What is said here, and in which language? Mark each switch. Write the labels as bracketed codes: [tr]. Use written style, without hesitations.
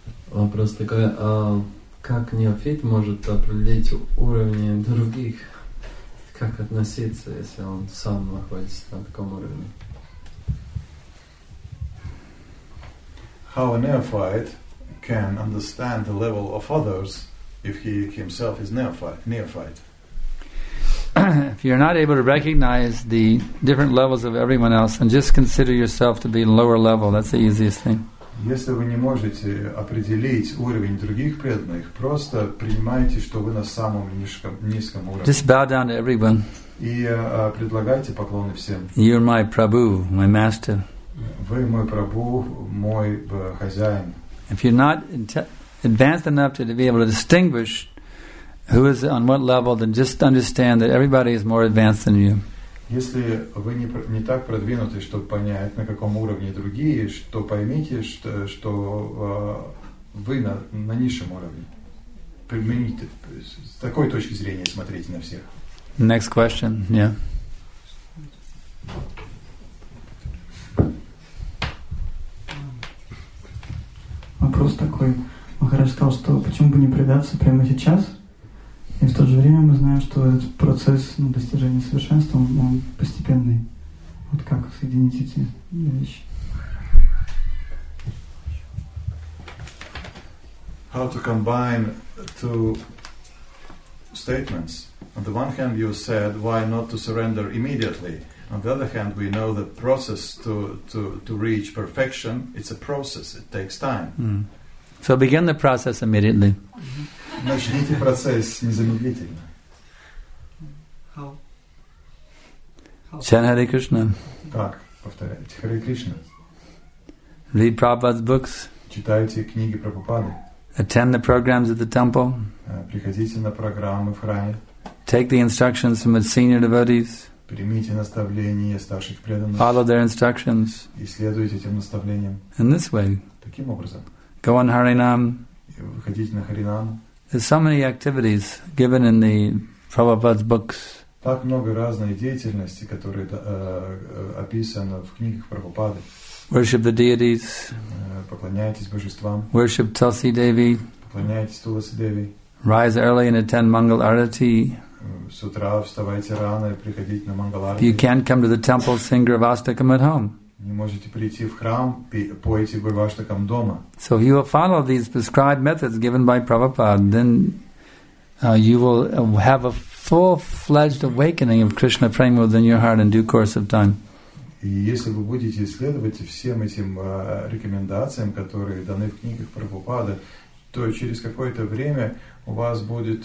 [ru] Вопрос такой, а как неофит может определить уровни других, как относиться, если он сам находится на таком уровне? [en] How a neophyte can understand the level of others if he himself is neophyte? If you're not able to recognize the different levels of everyone else, then just consider yourself to be lower level. That's the easiest thing. [ru] Если вы не можете определить уровень других преданных, просто принимайте, что вы на самом низком уровне. [en] Just bow down to everyone. [ru] И предлагайте поклоны всем. [en] You're my Prabhu, my master. [ru] Вы мой Прабу, мой хозяин. [en] If you're not advanced enough to be able to distinguish who is on what level, then just understand that everybody is more advanced than you. [ru] Если вы не так продвинуты, чтобы понять, на каком уровне другие, то поймите, что вы на низшем уровне. Примените, с такой точки зрения смотрите на всех. [en] Next question, yeah. [ru] Вопрос такой. Махарадж сказал, что почему бы не предаться прямо сейчас? И в то же время мы знаем, что этот процесс достижения совершенства, он постепенный. Вот как соединить эти вещи? [en] How to combine two statements? On the one hand, you said, why not to surrender immediately? On the other hand, we know the process to reach perfection, it's a process, it takes time. Mm. So begin the process immediately. [ru] Начните процесс незамедлительно. [en] Chant Hare Krishna. [ru] Так, повторяйте. Hare Krishna. [en] Read Prabhupada's books. [ru] Читайте книги Прабхупады. [en] Attend the programs at the temple. [ru] Приходите на программы в храме. [en] Take the instructions from the senior devotees. [ru] Примите наставления старших преданных. [en] Follow their instructions. [ru] И следуйте этим наставлениям. [en] In this way. [ru] Таким образом. [en] Go on Harinam. [ru] Выходите на Харинам. [en] There's so many activities given in the Prabhupada's books. [ru] Так много разной деятельности, которая описана в книгах Прабхупады. [en] Worship the deities. [ru] Поклоняйтесь божествам. [en] Worship Tulsi Devi. [ru] Поклоняйтесь Туласи Деви. [en] Rise early and attend Mangal Arati. [ru] С утра вставайте рано и приходите на Мангал Арати. [en] If you can't come to the temple, sing Gravastakam at home. [ru] Не можете прийти в храм, пойте Гравастакам дома. [en] So if you will follow these prescribed methods given by Prabhupada, then you will have a full-fledged awakening of Krishna prema within your heart in due course of time. [ru] И если вы будете исследовать всем этим рекомендациям, которые даны в книгах Прабхупады, то через какое-то время у вас будет